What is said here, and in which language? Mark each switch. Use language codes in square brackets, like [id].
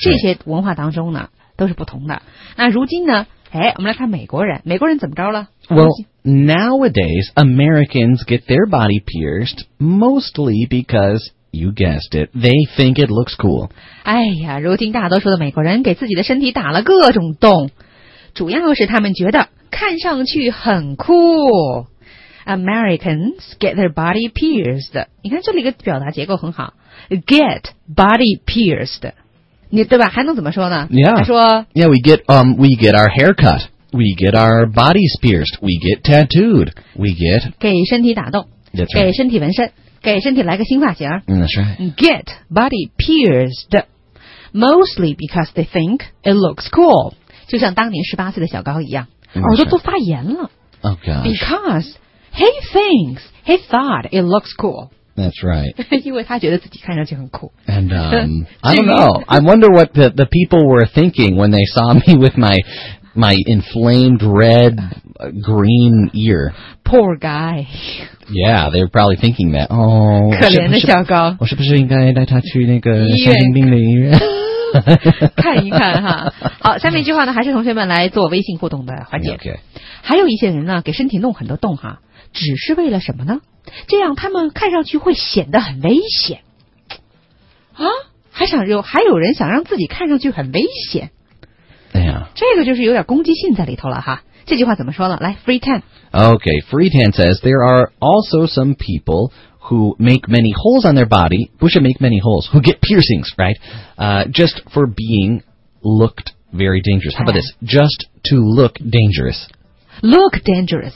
[zh] 这些文化当中呢都是不同的。那如今呢哎，我们来看美国人。美国人怎么着了 [en] Well, nowadays, Americans get their body pierced mostly because, you guessed it, they think it looks cool. [zh] 哎呀，如今大多数的美国人给自己的身体打了各种洞。主要是他们觉得看上去很酷 [en] Americans get their body pierced [zh] 你看这里一个表达结构很好 [en] Get body pierced [zh] 你对吧还能怎么说呢 [en] Yeah [zh] 说 [en] Yeah we get our hair cut We get our bodies pierced We get tattooed We get [zh] 给身体打洞、 [en] right. [zh] 给身体纹身给身体来个新发型 [en] That's right Get body pierced Mostly because they think it looks cool [zh] 就像当年十八岁的小高一样耳朵都发炎了。 [en] Oh, gosh. Because he thinks, he thought it looks cool. That's right. 因为他觉得自己看上去很酷。 And, I don't know. I wonder what the people were thinking when they saw me with my inflamed red, green ear. Poor guy. Yeah, they were probably thinking that. Oh, [zh] 可怜的小高。我是不是应该带他去那个神经病的医院？看一看哈，好，下面一句话呢，还是同学们来做微信互动的环节。 [en] Okay. [zh] 还有一些人呢，给身体弄很多洞哈，只是为了什么呢？这样他们看上去会显得很危险啊！还有人想让自己看上去很危险。哎呀，这个就是有点攻击性在里头了哈。这句话怎么说呢？来 ，Free Tan。 [en] Okay, Free Tan says there are also some people. Who make many holes on their body, [zh] 不是 [en] make many holes, who get piercings, right? Just for being looked very dangerous. How about this? Just to look dangerous. Look dangerous.